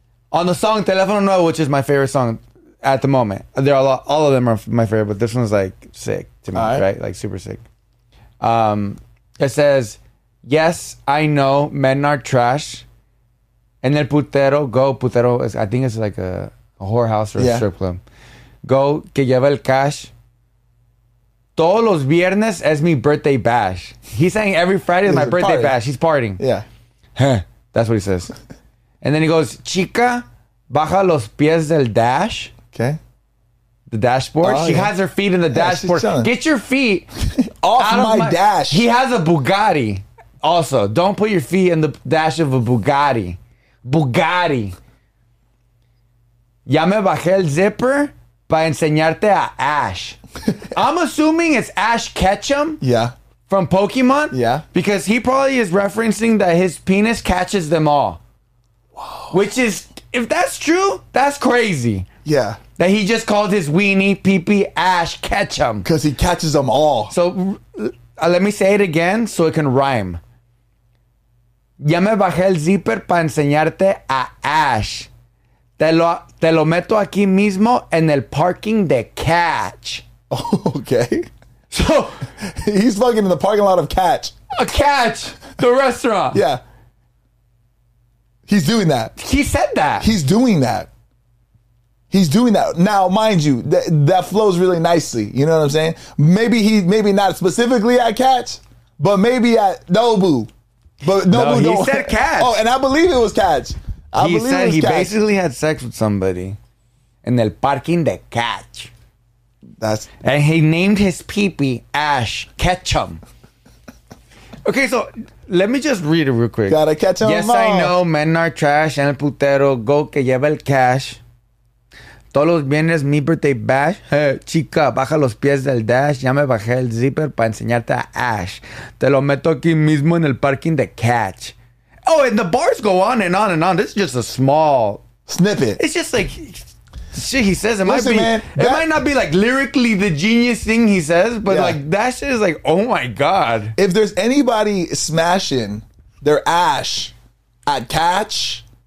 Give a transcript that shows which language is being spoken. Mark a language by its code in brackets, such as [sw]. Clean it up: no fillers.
[en] On the song Telefono Nuevo, which is my favorite song at the moment, there are a lot, all of them are my favorite, but this one's like sick to me, right? Like super sick. It says, yes, I know men are trash. [es] En el putero, [en] go, putero, I think it's like a whorehouse or a strip club. [es] Go, que lleva el cash. Todos los viernes es mi birthday bash. [en] He's saying every Friday is my birthday bash. He's partying. Yeah. That's what he says. And then he goes, [es] chica, baja los pies del dash. [en] Okay. The dashboard. Oh, she has her feet in the dashboard. Get your feet off my dash. He has a Bugatti. Also, don't put your feet in the dash of a Bugatti. Bugatti. [es] Ya me bajé el zipper para enseñarte a Ash. [en] I'm assuming it's Ash Ketchum. Yeah. From Pokemon. Yeah. Because he probably is referencing that his penis catches them all. Whoa. Which is, if that's true, that's crazy. Yeah. That he just called his weenie pee-pee Ash Ketchum. Because he catches them all. So let me say it again so it can rhyme. [es] Ya me bajé el zipper para enseñarte a Ash. Te lo meto aquí mismo en el parking de Catch. [en] Okay. So he's fucking in the parking lot of Catch. A Catch, the restaurant. Yeah. He's doing that. He said that. He's doing that. He's doing that. Now, mind you, that flows really nicely. You know what I'm saying? Maybe not specifically at Catch, but maybe at Nobu. But Nobu, no, he said Catch. Oh, and I believe it was Catch. Basically had sex with somebody in [es] el parking de Catch. [en] That's, and he named his pee-pee Ash Ketchum. Okay, so let me just read it real quick. Gotta catch him. Yes, all. I know men are trash and [es] el putero go que lleva el cash. Todos los viernes mi birthday bash. Hey, chica, baja los pies del dash. Ya me bajé el zipper para enseñarte a Ash. Te lo meto aquí mismo en el parking de Catch. [en] Oh, and the bars go on and on and on. This is just a small snippet. It's just like shit he says. It might not be like lyrically the genius thing he says, but yeah. Like that shit is like, oh my God. If there's anybody smashing their Ash at Catch,